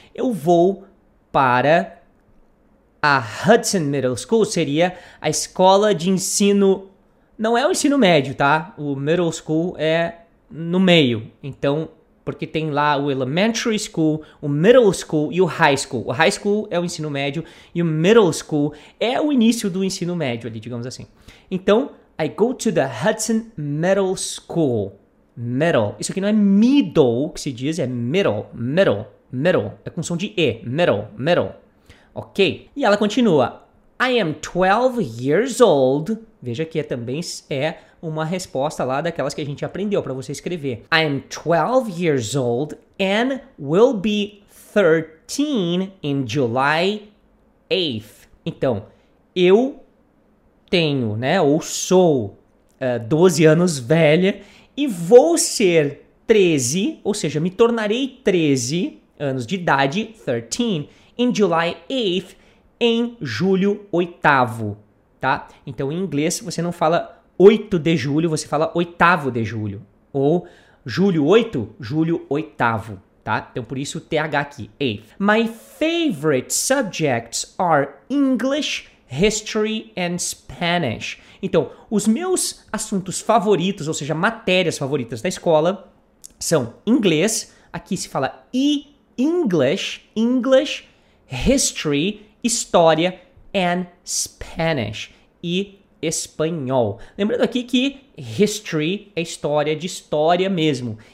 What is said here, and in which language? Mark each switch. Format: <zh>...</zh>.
<pt>Eu vou para a Hudson Middle School, seria a escola de ensino... Não é o ensino médio, tá? O middle school é no meio. Então, porque tem lá o elementary school, o middle school e o high school. O high school é o ensino médio e o middle school é o início do ensino médio ali, digamos assim. Então,</pt> <en>I go to the Hudson Middle School. Middle.</en> <pt>Isso aqui não é middle que se diz, é middle. Middle. Middle. É com som de E. Middle. Middle. Ok? E ela continua.</pt> <en>I am 12 years old.</en> <pt>Veja que também é uma resposta lá daquelas que a gente aprendeu para você escrever.</pt> <en>I am 12 years old and will be 13 in July 8th.</en> <pt>Então, eu tenho, né, ou sou 12 anos velha e vou ser 13, ou seja, me tornarei 13 anos de idade, 13,</pt> <en>in July 8th,</en> <pt>em julho 8º. Tá? Então, em inglês, você não fala 8 de julho, você fala 8º de julho. Ou julho 8, julho 8º. Tá? Então, por isso, TH aqui, 8.</pt> <en>My favorite subjects are English, History and Spanish.</en> <pt>Então, os meus assuntos favoritos, ou seja, matérias favoritas da escola, são inglês, aqui se fala</pt> <en>English, History,</en> <pt>História</pt> <en>and Spanish.</en> <pt>E Espanhol. Lembrando aqui que History é história, de história mesmo.</pt>